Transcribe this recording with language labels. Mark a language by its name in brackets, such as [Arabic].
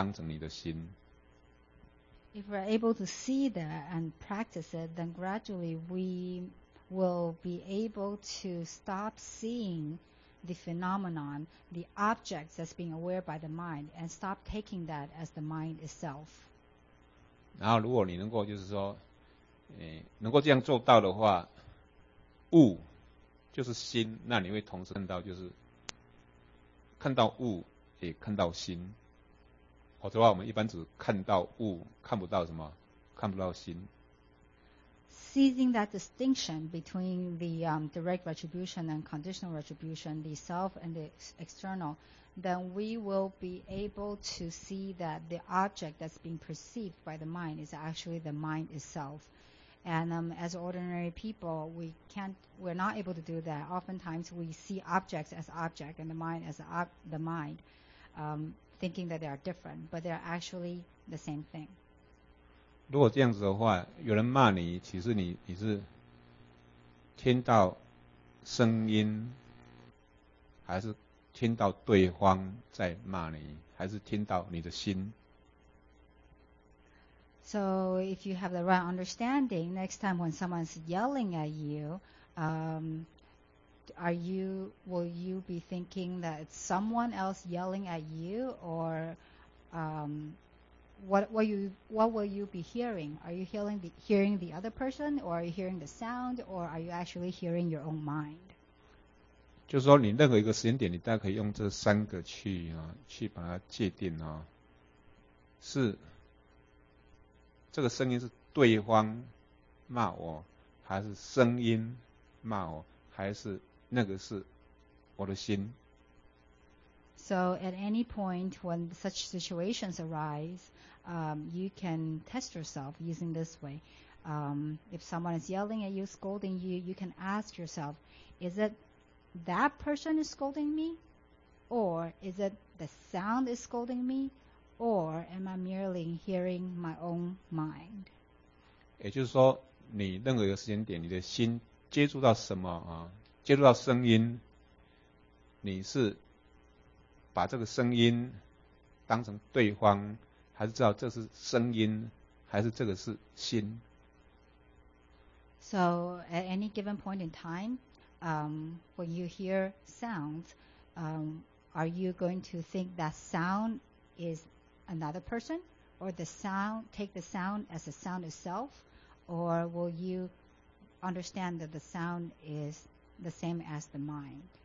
[Chinese] 如果你能够这样子的话，慢慢的你才能够慢慢的摆脱，把物啊，把你所看到的这些对象，这个叫做物，当成你的心。 [English] If we're able to see that and practice it, then gradually we will be able to stop seeing the phenomenon, the objects that's being aware by the mind, and stop taking that as the mind itself. [Chinese] 然后如果你能够就是说，能够这样做到的话，物就是心，那你会同时看到就是看到物也看到心，否则的话我们一般只看到物，看不到什么，看不到心。 [English] seizing that distinction between the direct retribution and conditional retribution, the self and the external, then we will be able to see that the object that's being perceived by the mind is actually the mind itself. And as ordinary people, we're not able to do that. Oftentimes, we see objects as object and the mind as the mind, thinking that they are different, but they are actually the same thing. [Chinese] 如果这样子的话，有人骂你，其实你是听到声音，还是听到对方在骂你，还是听到你的心？ [English] So if you have the right understanding, next time when someone's yelling at you, will you be thinking that it's someone else yelling at you, or what will you be hearing? Are you hearing the other person, or are you hearing the sound, or are you actually hearing your own mind? [Chinese] 就是说你任何一个时间点，你大概可以用这三个去把它界定啊，是。这个声音是对方骂我，还是声音骂我，还是那个是我的心？ [English] So at any point when such situations arise, you can test yourself using this way. If someone is yelling at you, scolding you, you can ask yourself, is it that person is scolding me? Or is it the sound is scolding me? Or am I merely hearing my own mind? [Chinese] 也就是说，你任何一个时间点，你的心接触到什么啊？接触到声音，你是把这个声音当成对方，还是知道这是声音，还是这个是心？ [English] So at any given point in time, when you hear sounds, are you going to think that sound is? Another person, or the sound, take the sound as the sound itself, or will you understand that the sound is the same as the mind?